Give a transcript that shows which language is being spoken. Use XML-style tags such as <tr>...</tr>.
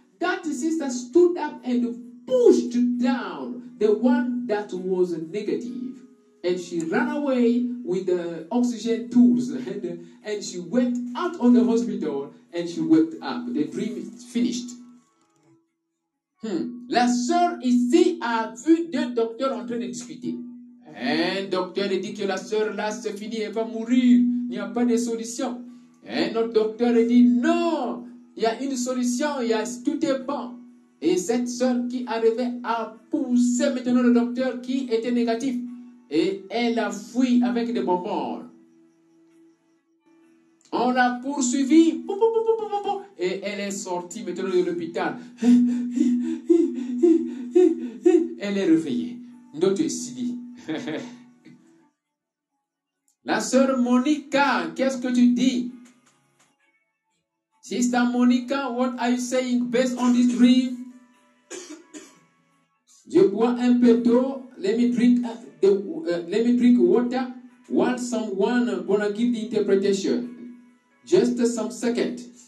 <en>That sister stood up and pushed down the one that was negative. And she ran away with the oxygen tools. And she went out of the hospital and she woke up. The dream is finished.</en> <fr>La sœur ici a vu deux docteurs en train de discuter. Un docteur dit que la sœur là c'est fini, elle va mourir. Il n'y a pas de solution. Un autre docteur dit non, il y a une solution, tout est bon. Et cette sœur qui arrivait a poussé maintenant le docteur qui était négatif. Et elle a fui avec des bonbons. On l'a poursuivi. Et elle est sortie maintenant de l'hôpital. Elle est réveillée. Note ici. La sœur Monica, qu'est-ce que tu dis?</fr> <en>Sister Monica, what are you saying based on this dream?</en> <fr>Je bois un peu d'eau.</fr> <en>Let me drink water while someone gonna give the interpretation. Just some second.</en>